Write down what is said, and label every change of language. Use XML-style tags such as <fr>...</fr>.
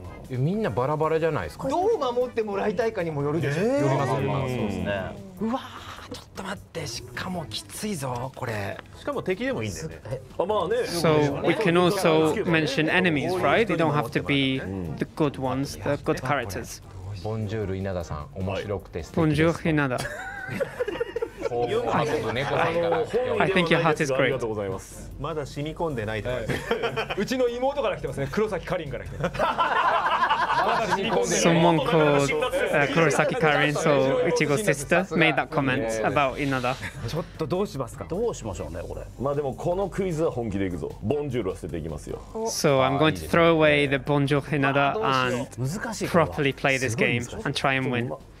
<ja>みんなバラバラじゃないですか。どう守ってもらいたいかにもよるでしょ。よりますよりますね。うわー、ちょっと待って。しかもきついぞこれ。しかも敵でもいいんだよね。まあね。</ja> <en>So we can also mention enemies, right? They don't have to be the good ones, the good characters.</en> <ja>ボンジュール稲田さん、面白くて素敵です。ボンジュール稲田。</ja> <en>I think your heart is great.</en> <ja>まだ染み込んでないとか。うちの妹から来てますね。 Kurosaki Karin から来てます。</ja> <en>Someone called Kurosaki Karin, so Ichigo's sister made that comment about Inada.</en> <ja>ちょっとどうしますか。どうしましょうねこれ。まあでもこのクイズは本気でいくぞ。ボンジュールは捨てていきますよ。</ja> <en>So I'm going to throw away the Bonjour Inada and properly play this game and try and win.</en>